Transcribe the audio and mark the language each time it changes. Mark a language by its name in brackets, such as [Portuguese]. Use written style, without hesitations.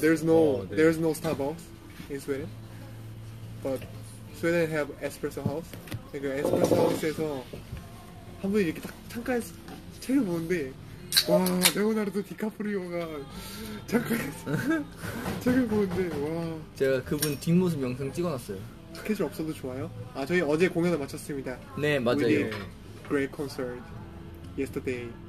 [English] There's no Starbucks in Sweden. But Sweden have espresso house. [Korean] 그 에스프레소 하우스에서 한 분이 이렇게 딱 창가에 책을 보는데 와, 레오나르도 디카프리오가 창가에 책을 보는데 와. 제가 그분 뒷모습 영상 찍어 놨어요. 스케줄 없어도 좋아요. 아, 저희 어제 공연을 마쳤습니다. 네, 맞아요. [English] We did great concert yesterday.